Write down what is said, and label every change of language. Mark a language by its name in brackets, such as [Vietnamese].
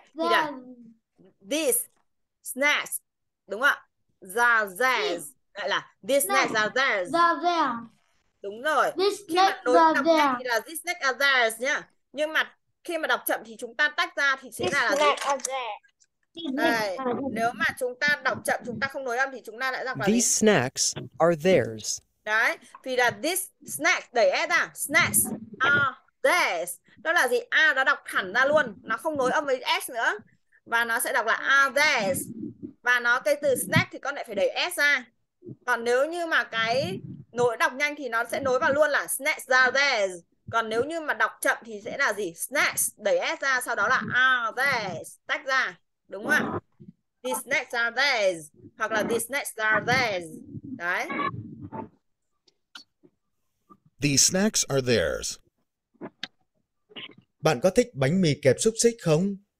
[Vietnamese] Thì là [English] this snacks [Vietnamese] đúng không ạ? [English] The theirs [Vietnamese] gọi là [English] this snacks are theirs. [Vietnamese] Đúng rồi. [English] This snacks are theirs. [Vietnamese] Thì là [English] this snacks are theirs [Vietnamese] nhá. Nhưng mà khi mà đọc chậm thì chúng ta tách ra thì chính là gì? Đây, nếu mà chúng ta đọc chậm chúng ta không nối âm thì chúng ta lại đọc là [English] these snacks are theirs. [Vietnamese] Đấy, thì là [English] this snacks [Vietnamese] đẩy s ra, [English] snacks are theirs. [Vietnamese] Đó là gì? A nó đọc hẳn ra luôn, nó không nối âm với s nữa. Và nó sẽ đọc là [English] are theirs. [Vietnamese] Và nó cái từ snack thì con lại phải đẩy S ra. Còn nếu như mà cái nối đọc nhanh thì nó sẽ nối vào luôn là [English] snacks are theirs. [Vietnamese] Còn nếu như mà đọc chậm thì sẽ là gì? Snacks đẩy S ra, sau đó là [English] are theirs. [Vietnamese] Tách ra, đúng không ạ? [English] These snacks are theirs. [Vietnamese] Hoặc là [English] these snacks are theirs. [Vietnamese] Đấy. [English] These snacks are theirs. [Vietnamese] Bạn có thích bánh mì kẹp xúc xích không?